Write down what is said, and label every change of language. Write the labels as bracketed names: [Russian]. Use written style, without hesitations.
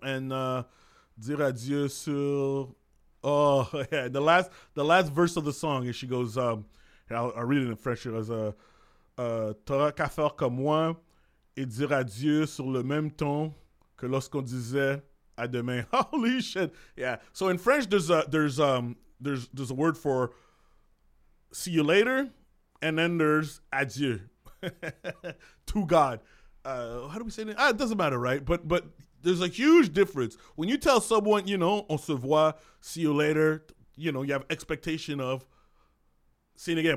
[English] And [French] dire adieu sur, [English] the last verse of the song, and she goes, I'll read it in French. It was, [French] t'auras qu'à faire comme moi et dire adieu sur le même ton que lorsqu'on disait à demain. [English] Holy shit. Yeah. So in French, there's a word for see you later, and then there's adieu. To God. How do we say that? It doesn't matter, right? But there's a huge difference. When you tell someone, you know, [French] on se voit, [English] see you later, you know, you have expectation of seeing again.